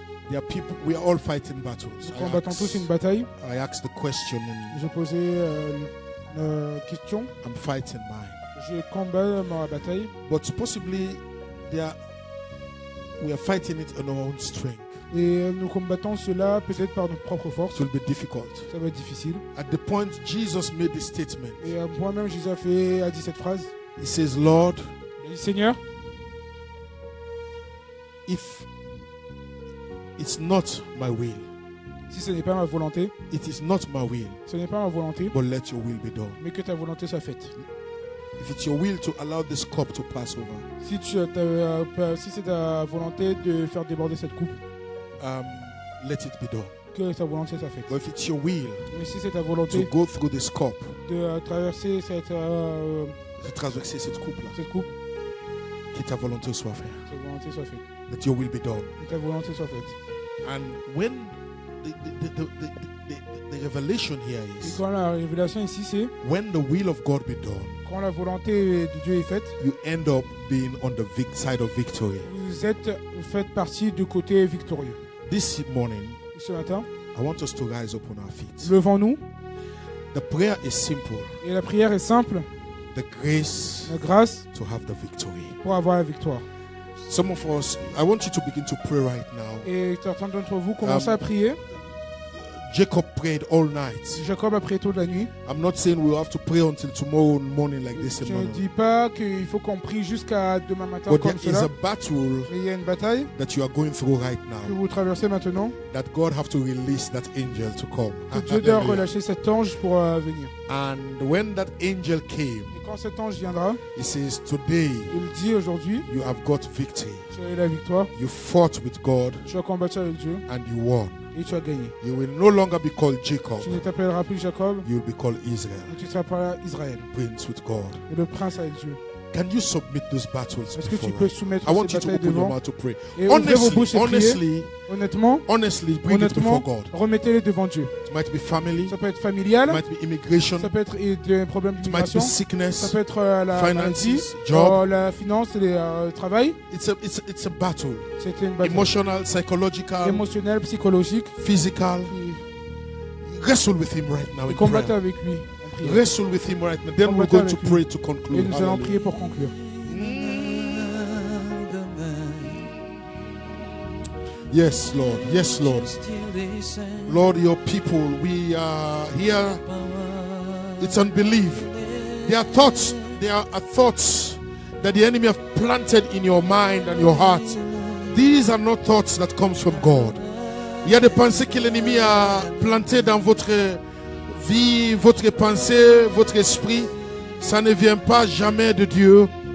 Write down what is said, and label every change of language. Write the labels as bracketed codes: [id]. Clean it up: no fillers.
[en] There are people. We are all fighting battles. [fr] Nous combattons tous une bataille. [en] I asked the question. [fr] Je posais une question. [en] I'm fighting mine. [fr] Je combat ma bataille. [en] But possibly we are fighting it on our own strength. [fr] Et nous combattons cela peut-être par notre propre force. [en] It will be difficult. [fr] Ça va être difficile. [en] At the point Jesus made this statement. [fr] Et à moi-même Jésus a dit cette phrase. [en] He says, Lord. [fr] Il dit, Seigneur. [en] If it's not my will. [fr] Si ce n'est pas ma volonté. [en] It is not my will. [fr] Ce n'est pas ma volonté. [en] But let your will be done. [fr] Mais que ta volonté soit faite. [en] If it's your will to allow this cup to pass over. [fr] Si c'est ta volonté de faire déborder cette coupe. [en] Let it be done. [fr] Que ta volonté soit faite. [en] But if it's your will. [fr] Mais si c'est ta volonté. [en] To go through this cup. [fr] De traverser cette. De traverser cette coupe là. Cette coupe. Que ta volonté soit faite. Que ta volonté soit faite. [en] Let your will be done. [fr] Que ta volonté soit faite. [en] And when the revelation here is. [fr] Et quand la révélation ici c'est. [en] When the will of God be done. [fr] Quand la volonté de Dieu est faite, [en] you end up being on the side of victory. [fr] Vous êtes, vous faites partie du côté victorieux. [en] This morning, [fr] ce matin, [en] I want us to rise up on our feet. [fr] Levons-nous. [en] The prayer is simple. [fr] Et la prière est simple. [en] The grace, [fr] la grâce, [en] to have the victory. [fr] Pour avoir la victoire. [en] Some of us, I want you to begin to pray right now. [fr] Et certains d'entre vous commencent à prier. [en] Jacob prayed all night. [fr] Jacob a prié toute la nuit. [en] I'm not saying we have to pray until tomorrow morning like this. [fr] Je ne dis pas qu'il faut qu'on prie jusqu'à demain matin [en] but [fr] comme cela. [en] But there is a battle. [fr] Il y a une bataille [en] that you are going through right now. [fr] Que vous traversez maintenant. [en] That God have to release that angel to come. [fr] Que Dieu doit relâcher cet ange pour venir. [en] And when that angel came. [fr] Et quand cet ange viendra. [en] He says today. [fr] Il dit aujourd'hui. [en] You have got victory. [fr] Tu as eu la victoire. [en] You fought with God. [fr] Tu as combattu avec Dieu. [en] And you won. [fr] Et tu as gagné. [en] You will no longer be called Jacob. [fr] Tu ne t'appelleras plus Jacob. [en] You will be called Israel. [fr] Tu t'appelleras Israël. [en] Prince with God. [fr] Et le prince avec Dieu. [en] Can you submit those battles? [fr] Est-ce que tu peux soumettre ces batailles devant? [en] I want you to open your mouth to pray. [fr] Honnêtement, [en] bring it before God. [fr] Remettez-les devant Dieu. [en] It might be family. [fr] Ça peut être familial. [en] It might be immigration. [fr] Ça peut être des problèmes d'immigration. [en] It might be sickness. [fr] Ça peut être la [en] finances, job. [fr] La finance, le travail. [en] It's a battle. [fr] C'est une bataille. [en] Emotional, psychological. [fr] Émotionnel, psychologique. [en] Physical. Wrestle with him right now. [fr] Combattez avec lui. [en] Wrestle with him right now. Then we're going to pray to conclude. [fr] Et nous allons prier pour conclure. [en] Yes, Lord. Yes, Lord. Lord, your people, we are here. It's unbelief. There are thoughts that the enemy have planted in your mind and your heart. These are not thoughts that comes from God. [fr] Il y a des pensées que l'ennemi a plantées dans votre vie, votre pensée, votre esprit, ça ne vient pas jamais de Dieu.